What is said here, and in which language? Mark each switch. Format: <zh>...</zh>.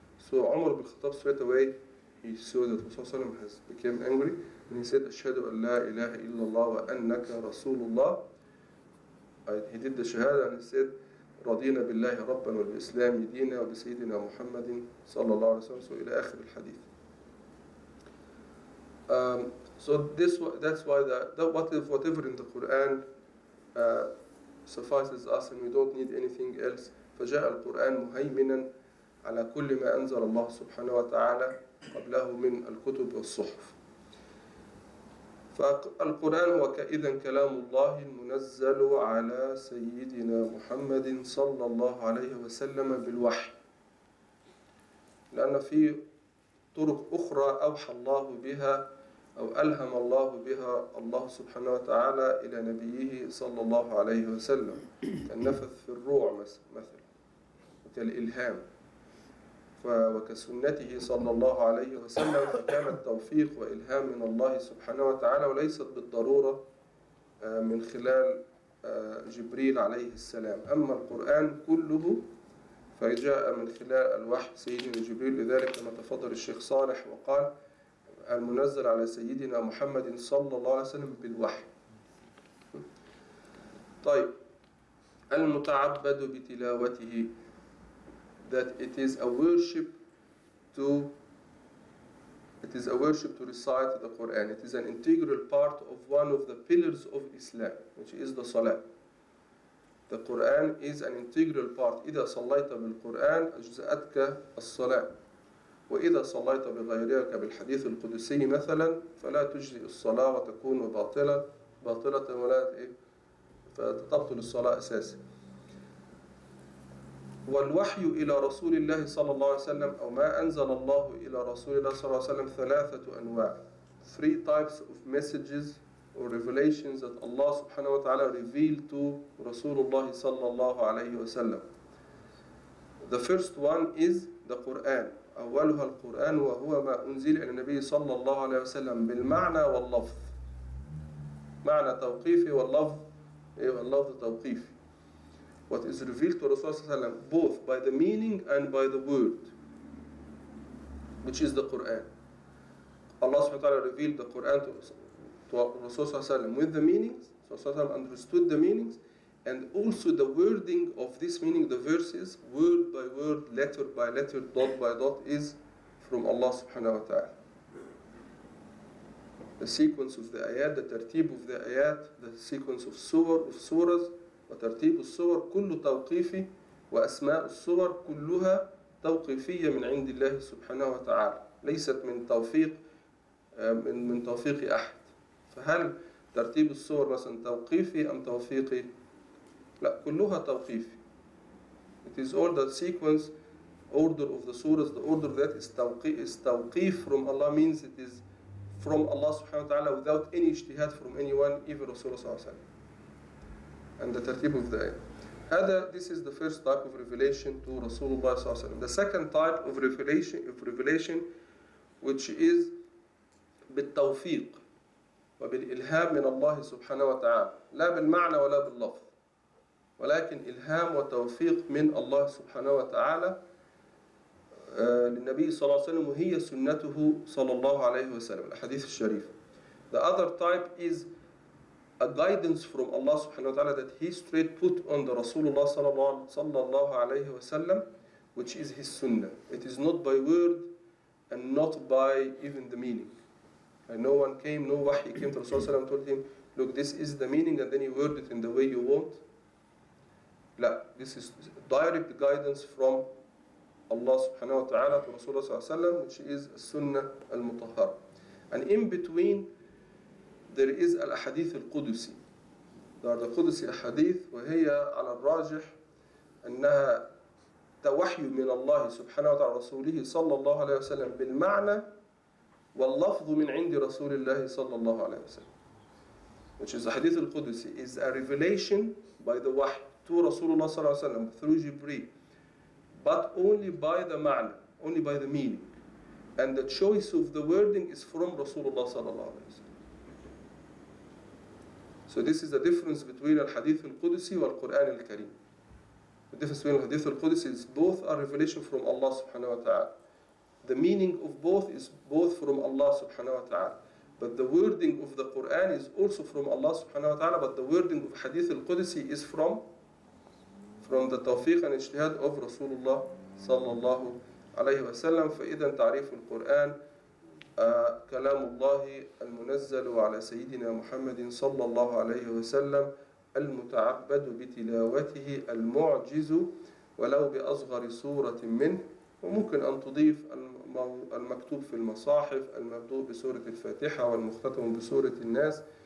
<en>So Umar ibn Khattab straight away, he saw that Rasulullah has become angry, and he said,</en> <ar>أَشْهَدُ أَنْ لَا إِلَهَ إِلَّا اللَّهُ وَأَنَّكَ رَسُولُ اللَّهِ.</ar> <en>He did the shahada and he said,</en> <ar>رَضِينَ بِاللَّهِ رَبَّنَ وَالْإِسْلَامِ دِينَ وَبِسَيِّدِنَا مُحَمَّدٍ صَلَّى اللَّهُ عَلَيْهِ وَسَلَّمُ. So إِلَى آخِرِ الْحَدِيثِ.</ar> <en>So that's why whatever in the Quran suffices us, and we don't need anything else.</en> <ar>فَجَاءَ الْقُرْآنُ مُهَيْمِنًا على كل ما أنزل الله سبحانه وتعالى قبله من الكتب والصحف. فالقرآن هو كإذن كلام الله المنزل على سيدنا محمد صلى الله عليه وسلم بالوحي، لأن في طرق أخرى أوحى الله بها أو ألهم الله بها الله سبحانه وتعالى إلى نبيه صلى الله عليه وسلم، كالنفث في الروع مثلا وكالإلهام، وكسنته صلى الله عليه وسلم، فكان التوفيق وإلهام من الله سبحانه وتعالى وليست بالضرورة من خلال جبريل عليه السلام. أما القرآن كله فجاء من خلال الوحي سيدنا جبريل، لذلك كما تفضل الشيخ صالح وقال المنزل على سيدنا محمد صلى الله عليه وسلم بالوحي. طيب المتعبد بتلاوته,</ar> <en>that it is a worship to, it is a worship to recite the Quran. It is an integral part of one of the pillars of Islam, which is the salah. The Quran is an integral part.</en> <ar>إِذَا صَلَّيْتَ بِالْقُرْآنِ أَجْزَأَتْكَ الصَّلَاةِ وَإِذَا صَلَّيْتَ بِغَيْرِكَ بِالْحَدِيثِ الْقُدُسِيِّ مَثَلًا فَلَا تُجْزِئِ الصَّلَاةِ وَتَكُونُ بَاطِلَةً وَلَا فَتَبْطُلُ الصَّلَاةِ أَسَاسًا. والوحي إلى رسول الله صلى الله عليه وسلم أو ما أنزل الله إلى رسول الله صلى الله عليه وسلم ثلاثة أنواع.</ar> <en>Three types of messages or revelations that Allah subhanahu wa ta'ala revealed to Rasulullah صلى الله عليه وسلم. The first one is the Quran.</en> <ar>أولها القرآن وهو ما أنزل إلى النبي صلى الله عليه وسلم بالمعنى واللفظ. معنى توقيفي واللفظ اللفظ توقيفي.</ar> <en>What is revealed to Rasulullah ﷺ, both by the meaning and by the word, which is the Quran. Allah subhanahu wa ta'ala revealed the Quran to Rasulullah ﷺ with the meanings. Rasulullah ﷺ understood the meanings, and also the wording of this meaning, the verses, word by word, letter by letter, dot by dot, is from Allah subhanahu wa ta'ala. The sequence of the ayat, the tartib of the ayat, the sequence of surah, of surahs,</en> <ar>وترتيب الصور كل توقيفي وأسماء الصور كلها توقيفية من عند الله سبحانه وتعالى ليست من توفيق من توفيق أحد. فهل ترتيب الصور مثلا توقيفي أم توفيقي؟ لا, كلها توقيفي.</ar> <en>It is all the sequence order of the surahs, the order that is توقيف from Allah, means it is from Allah سبحانه وتعالى without any اجتهاد from anyone, even Rasulullah صلى الله عليه وسلم. And the tertib of the ayah. This is the first type of revelation to Rasulullah صلى الله عليه وسلم. The second type of revelation, which is</en> <ar>بالتوفيق وبالإلهام من الله سبحانه وتعالى. لا بالمعنى ولا باللفظ. ولكن إلهام وتوفيق من الله سبحانه وتعالى للنبي صلى الله عليه وسلم وهي سنته صلى الله عليه وسلم. الحديث الشريف.</ar> <en>The other type is a guidance from Allah subhanahu wa ta'ala that he straight put on the Rasulullah sallallahu alayhi wa sallam, which is his sunnah. It is not by word and not by even the meaning. And no one came, no wahi came to Rasulullah sallallahu alayhi wa sallam and told him, look, this is the meaning and then you word it in the way you want. La, this is direct guidance from Allah subhanahu wa ta'ala to Rasulullah sallallahu alayhi wa sallam, which is sunnah al-mutahhar. And in between, there is al-ahadith al-Qudusi. There are the Qudusi ahadith,</en> <ar>وهي على الراجح أنها توحي من الله سبحانه وتعالى رسوله صلى الله عليه وسلم بالمعنى واللفظ من عند رسول الله صلى الله عليه وسلم.</ar> <en>Which is ahadith al-Qudusi, is a revelation by the wahy to Rasulullah صلى الله عليه وسلم through Jibreel, but only by the معنى, only by the meaning. And the choice of the wording is from Rasulullah صلى الله عليه وسلم. So this is the difference between al-Hadith al-Qudusi and al-Qur'an al-Kareem. The difference between al-Hadith al-Qudusi is both a revelation from Allah subhanahu wa ta'ala. The meaning of both is both from Allah subhanahu wa ta'ala. But the wording of the Qur'an is also from Allah subhanahu wa ta'ala, but the wording of Hadith al-Qudusi is from the tawfiq and ijtihad of Rasulullah sallallahu alayhi wa sallam.</en> <ar>فإذا تعريف القرآن كلام الله المنزل على سيدنا محمد صلى الله عليه وسلم المتعبد بتلاوته المعجز ولو بأصغر صورة منه. وممكن أن تضيف المكتوب في المصاحف المبدوء بسورة الفاتحة والمختتم بسورة الناس.</ar>